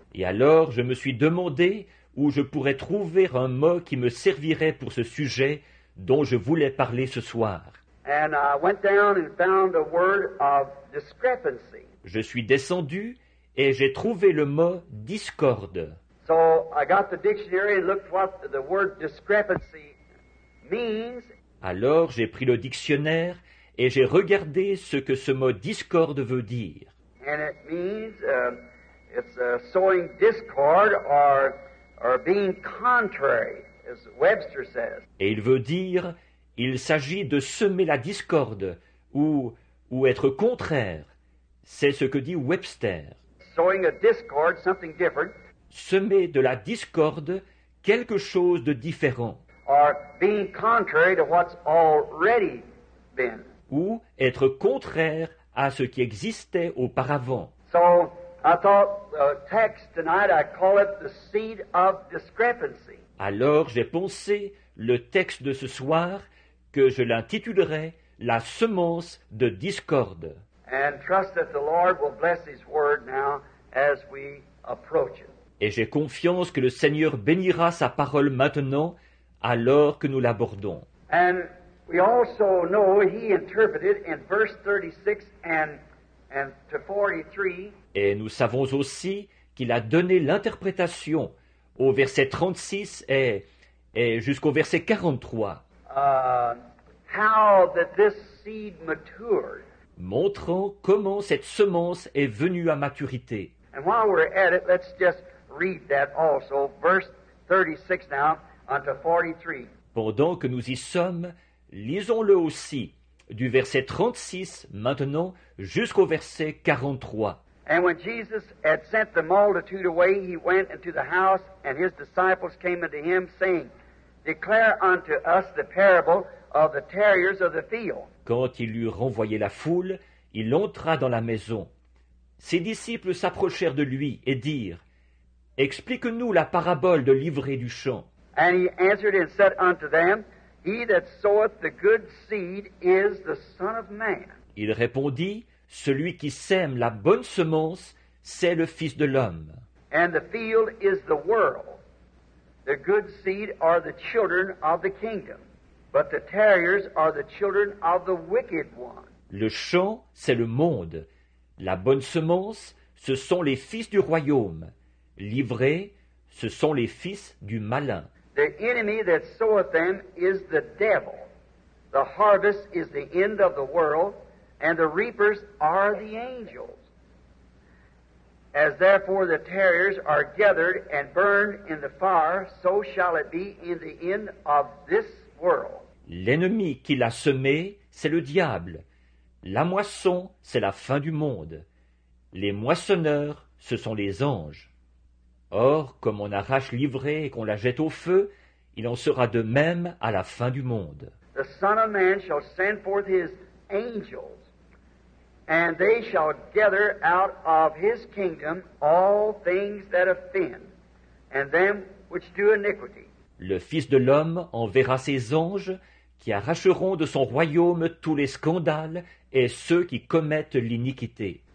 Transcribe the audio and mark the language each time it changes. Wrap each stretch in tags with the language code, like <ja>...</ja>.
<fr>Et alors je me suis demandé où je pourrais trouver un mot qui me servirait pour ce sujet dont je voulais parler ce soir.</fr> <en>And I went down and found a word of discrepancy.</en> <fr>Je suis descendu et j'ai trouvé le mot discorde.</fr> <en>So I got the dictionary and looked what the word discrepancy means.</en> <fr>Alors j'ai pris le dictionnaire et j'ai regardé ce que ce mot discorde veut dire.</fr> <en>And it means it's sowing discord or being contrary, as Webster says.</en> <fr>Et il veut dire, il s'agit de semer la discorde ou être contraire. C'est ce que dit Webster.</fr> <en>Sowing a discord, something different.</en> <fr>Semer de la discorde, quelque chose de différent.</fr> <en>Or being contrary to what's already been.</en> <fr>Ou être contraire à ce qui existait auparavant.</fr> <en>So, I thought the text tonight, I call it the seed of discrepancy.</en> <fr>Alors, j'ai pensé le texte de ce soir que je l'intitulerai la semence de discorde.</fr> <en>And trust that the Lord will bless his word now as we approach it.</en> <fr>Et j'ai confiance que le Seigneur bénira sa parole maintenant alors que nous l'abordons.</fr> <en>And we also know he interpreted in verse 36 and to 43.</en> <fr>Et nous savons aussi qu'il a donné l'interprétation au verset 36 et jusqu'au verset 43.</fr> <en>How that this seed matured.</en> <fr>Montrant comment cette semence est venue à maturité.</fr> <en>And while we're at it, let's just read that also, verse 36 now unto 43.</en> <fr>Pendant que nous y sommes, lisons-le aussi, du verset 36 maintenant jusqu'au verset 43.</fr> <en>And when Jesus had sent the multitude away, he went into the house, and his disciples came unto him, saying, Declare unto us the parable of the tares of the field.</en> <fr>Quand il eut renvoyé la foule, il entra dans la maison. Ses disciples s'approchèrent de lui et dirent, Explique-nous la parabole de l'ivraie du champ.</fr> <en>And he answered and said unto them, He that soweth the good seed is the Son of Man.</en> <fr>Il répondit, Celui qui sème la bonne semence, c'est le Fils de l'homme.</fr> <en>And the field is the world. The good seed are the children of the kingdom. But the tares are the children of the wicked one.</en> <fr>Le champ, c'est le monde. La bonne semence, ce sont les fils du royaume. L'ivraie, ce sont les fils du malin.</fr> <en>The enemy that soweth them is the devil. The harvest is the end of the world, and the reapers are the angels. As therefore the tares are gathered and burned in the fire, so shall it be in the end of this world.</en> <fr>L'ennemi qui l'a semé, c'est le diable. La moisson, c'est la fin du monde. Les moissonneurs, ce sont les anges. Or, comme on arrache l'ivraie et qu'on la jette au feu, il en sera de même à la fin du monde.</fr> <en>The Son of Man shall send forth his angels, and they shall gather out of his kingdom all things that offend, and them which do iniquity.</en> <fr>Le Fils de l'homme enverra ses anges qui arracheront de son royaume tous les scandales et ceux qui commettent l'iniquité.</fr>